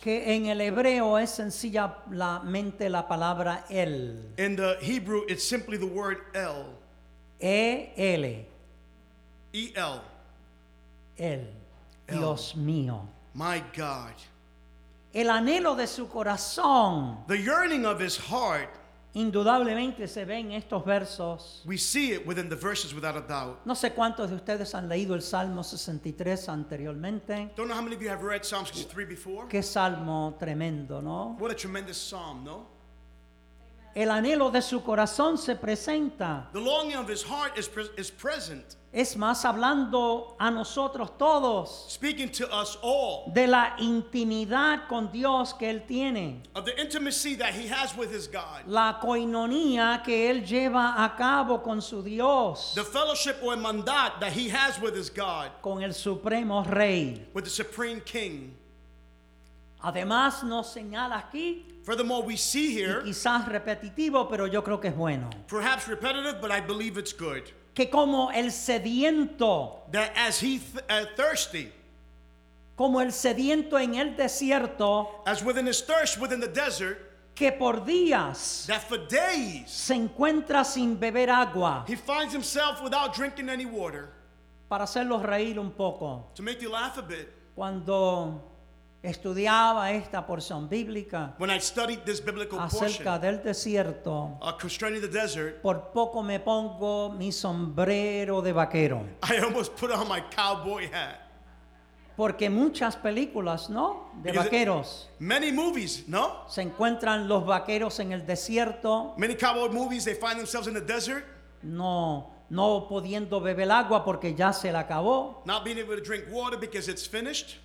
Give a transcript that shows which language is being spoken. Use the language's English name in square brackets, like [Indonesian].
[Spanish] Que en el hebreo es sencillamente la palabra el. [English] In the Hebrew it's simply the word el. E-L. E-L. [Spanish] El. Dios mío. [English] My God. [Spanish] El anhelo de su corazón. [English] The yearning of his heart. [Spanish] Indudablemente se ve en estos versos. [English] We see it within the verses without a doubt. [Spanish] No sé cuántos de ustedes han leído el Salmo 63 anteriormente. [English] Don't know how many of you have read Psalm 63 before. [Spanish] Qué salmo tremendo, ¿no? [English] What a tremendous psalm, ¿no? [Spanish] El anhelo de su corazón se presenta. [English] The longing of his heart is present. [Spanish] Es más, hablando a nosotros todos. [English] Speaking to us all. [Spanish] De la intimidad con Dios que él tiene. [English] Of the intimacy that he has with his God. [Spanish] La koinonía que él lleva a cabo con su Dios. [English] The fellowship or mandat that he has with his God. [Spanish] Con el supremo rey. [English] With the supreme king. [Spanish] Además nos señala aquí. [English] Furthermore, we see here. [Spanish] Quizás repetitivo, pero yo creo que es bueno. [English] Perhaps repetitive, but I believe it's good. [Spanish] Que como el sediento. [English] That as he thirsty. [Spanish] Como el sediento en el desierto. [English] As within his thirst within the desert. [Spanish] Que por días. [English] That for days. [Spanish] Se encuentra sin beber agua. [English] He finds himself without drinking any water. [Spanish] Para hacerlo reír un poco. [English] To make you laugh a bit. [Spanish] Cuando estudiaba esta porción bíblica. [English] When I studied this biblical portion. [Spanish] Acerca del desierto. [English] Concerning the desert. [Spanish] Por poco me pongo mi sombrero de vaquero. [English] I almost put on my cowboy hat. [Spanish] Porque muchas películas, ¿no? De [English] Because [Spanish] vaqueros. [English] Many movies, ¿no? [Spanish] Se encuentran los vaqueros en el desierto. [English] Many cowboy movies, they find themselves in the desert. [Spanish] No pudiendo beber agua porque ya se le acabó. [English] Not being able to drink water because it's finished.